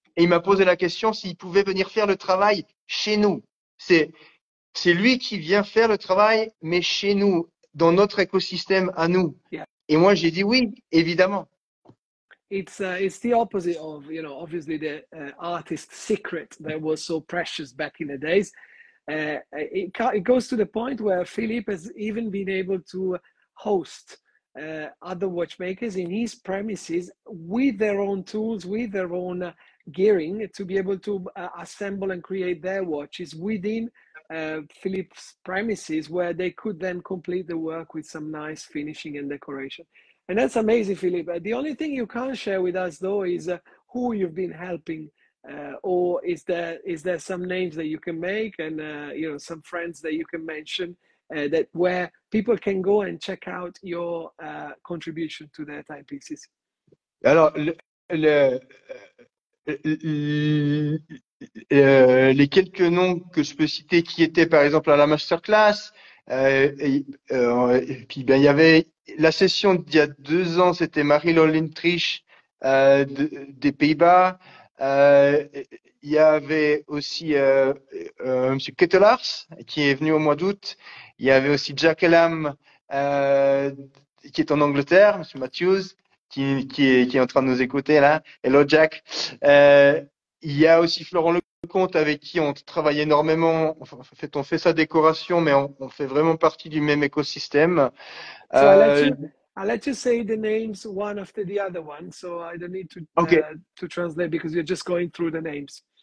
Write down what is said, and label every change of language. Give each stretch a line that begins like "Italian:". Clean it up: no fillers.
French: Et il m'a posé la question s'il pouvait venir faire le travail chez nous. C'est lui qui vient faire le travail, mais chez nous, dans notre écosystème à nous. Et moi, j'ai dit oui, évidemment.
English: It's the opposite of, you know, obviously the artist secret that was so precious back in the days. It goes to the point where Philippe has even been able to host other watchmakers in his premises with their own tools, with their own gearing, to be able to assemble and create their watches within Philippe's premises, where they could then complete the work with some nice finishing and decoration. And that's amazing, Philippe. The only thing you can't share with us, though, is who you've been helping, or is there some names that you can make, and you know, some friends that you can mention, that where people can go and check out your contribution to their timepieces.
French: Alors, les quelques noms que je peux citer qui étaient par exemple à la masterclass, et puis ben, il y avait la session d'il y a 2 ans, c'était Marie-Laurentrich des Pays-Bas. Il y avait aussi Monsieur Kettelars qui est venu au mois d'août. Il y avait aussi Jack Elam qui est en Angleterre, Monsieur Matthews. Qui est en train de nous écouter là.
English: Hello Jack.
French: Il y a aussi Florent compte avec qui on travaille énormément. On fait ça décoration, mais on fait vraiment partie du même écosystème.
English: So I'll let you say the names one after the other one, so I don't need OK. to translate because you're just going through the names.